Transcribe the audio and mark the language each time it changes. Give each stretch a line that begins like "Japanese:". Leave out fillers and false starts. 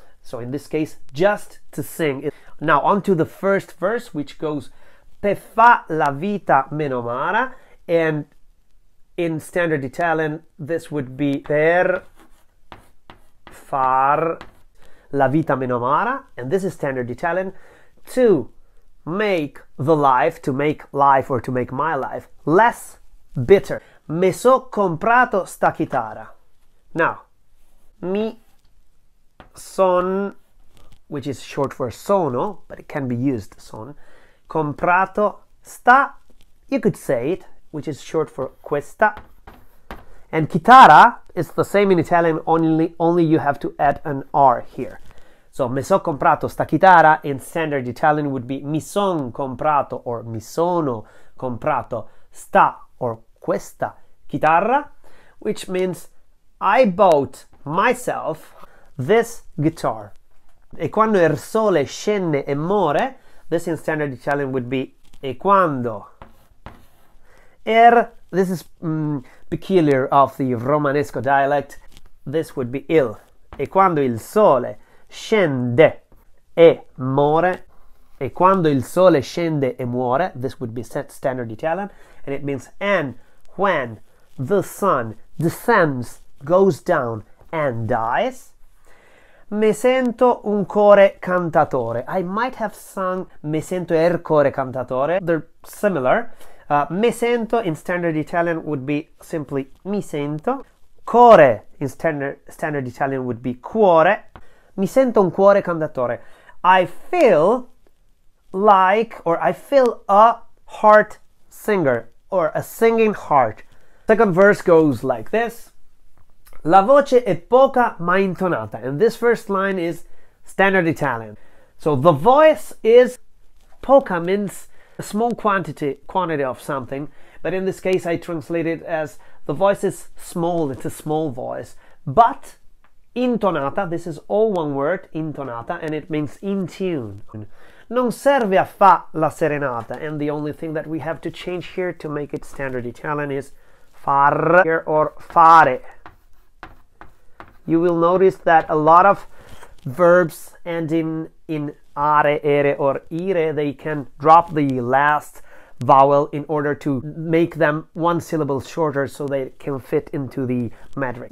English: So in this case, just to sing. Now on to the first verse, which goes
Italian: per fa la vita meno amara,
English: and in standard Italian, this would be
Italian: per far la vita meno amara,
English: and this is standard Italian, to make life or to make my life less bitter.
Italian: Me so comprato sta chitarra.
English: Now,
Italian: mi son,
English: which is short for
Italian: sono,
English: but it can be used,
Italian: son, comprato sta,
English: you could say it, which is short for
Italian: questa.
English: And chitarra is the same in Italian, only you have to add an R here. So,
Italian: me so comprato sta chitarra
English: in standard Italian would be
Italian: mi son comprato
English: or
Italian: mi sono comprato sta
English: or
Italian: questa chitarra,
English: which means I bought myself this guitar.
Italian: E quando il sole scende e muore,
English: this in standard Italian would be
Italian: e quando.
English: This is peculiar of the Romanesco dialect. This would be il.
Italian: E quando il sole scende e muore. E quando il sole scende e muore.
English: This would be standard Italian. And it means and when the sun descends, goes down, and dies.
Italian: Me sento un core cantatore.
English: I might have sung
Italian: me sento il core cantatore.
English: They're similar.
Italian: Me sento
English: in standard Italian would be simply
Italian: mi sento.
English: Cuore in standard Italian would be cuore.
Italian: Mi sento un cuore cantatore.
English: I feel like, or I feel a heart singer or a singing heart. Second verse goes like this.
Italian: La voce è poca ma intonata.
English: And this first line is standard Italian. So the voice is
Italian: poca
English: means a small quantity of something. But in this case, I translate it as the voice is small. It's a small voice. But
Italian: intonata,
English: this is all one word, intonata, and it means in tune.
Italian: Non serve a fa la serenata.
English: And the only thing that we have to change here to make it standard Italian is far here or
Italian: fare.
English: You will notice that a lot of verbs ending in are, ere, or ire, they can drop the last vowel in order to make them one syllable shorter so they can fit into the metric.